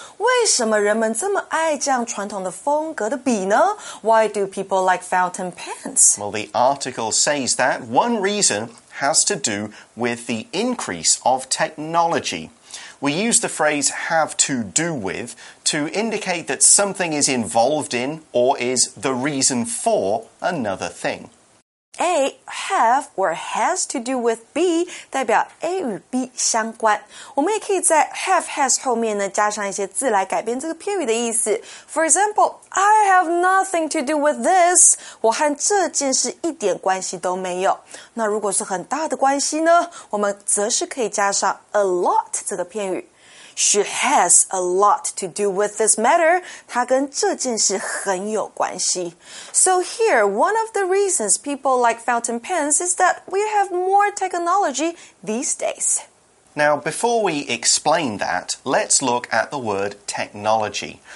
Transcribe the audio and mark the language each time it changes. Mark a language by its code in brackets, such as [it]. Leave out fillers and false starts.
[zh] 为什么人们这么爱这样传统的风格的笔呢? [en] Why do people like fountain pens? Well, the article says that one reason has to do with the increase of technology. We use the phrase have to do with to indicate that something is involved in or is the reason for another thing. A, have or has to do with B [zh] 代表 A 与 B 相关。我们也可以在 have, has 后面呢加上一些字来改变这个片语的意思。 [en] For example, I have nothing to do with this. [zh] 我和这件事一点关系都没有。那如果是很大的关系呢我们则是可以加上 a lot 这个片语。 [en] She has a lot to do with this matter. [zh] 她跟这件事很有关系。 [en] So here, one of the reasons people like fountain pens is that we have more technology these days. Now, before we explain that, let's look at the word technology.